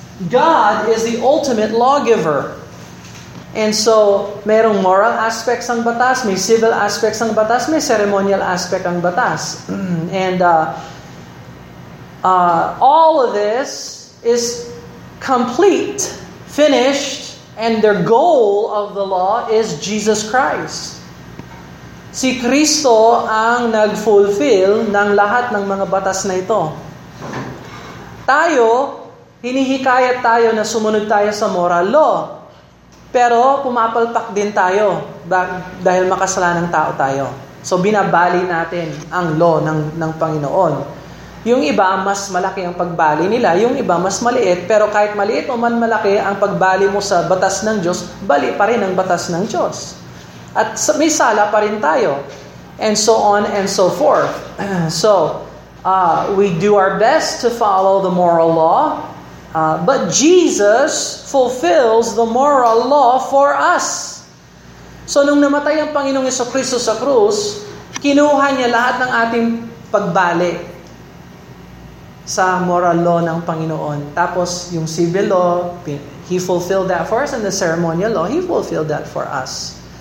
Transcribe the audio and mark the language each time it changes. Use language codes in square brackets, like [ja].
[en] God is the ultimate lawgiver. And so, [tl] merong moral aspects ang batas, [en] may civil aspects ang batas, may ceremonial aspect ang batas. And all of this is complete, finished, and their goal of the law is Jesus Christ. [tl] Si Kristo ang nag-fulfill ng lahat ng mga batas na ito. Tayo, hinihikayat tayo na sumunod tayo sa moral law. Pero pumapalpak din tayo dahil makasalanang tao tayo. So binabali natin ang law ng Panginoon. Yung iba, mas malaki ang pagbali nila. Yung iba, mas maliit. Pero kahit maliit o man malaki ang pagbali mo sa batas ng Diyos, bali pa rin ang batas ng Diyos. At may sala pa rin tayo. [en] And so on and so forth. So, we do our best to follow the moral law. But Jesus fulfills the moral law for us. [tl] So, nung namatay ang Panginoong Jesucristo sa krus, kinuha niya lahat ng ating pagbali sa moral law ng Panginoon. Tapos, yung [en] civil law, He fulfilled that for us. And the ceremonial law, He fulfilled that for us.